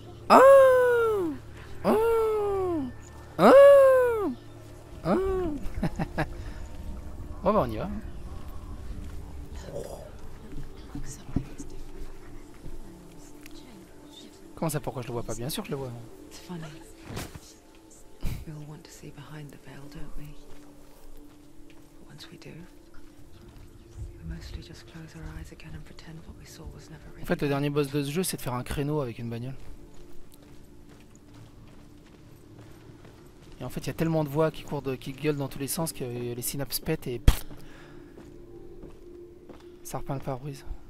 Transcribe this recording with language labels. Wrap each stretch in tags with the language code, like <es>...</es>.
<fr>Oh! Oh! Oh! Oh! Bon, bah on y va. Comment ça, pourquoi je le vois pas? Bien sûr que je le vois.</fr> <en>We all want to see behind the veil, don't we? Once we do, we mostly just close our eyes again and pretend what we saw was never real.</en> <fr>En fait, le dernier boss de ce jeu, c'est de faire un créneau avec une bagnole. En fait, il y a tellement de voix qui courent, qui gueulent dans tous les sens que les synapses pètent et pff, ça repeint le pare-brise.</fr>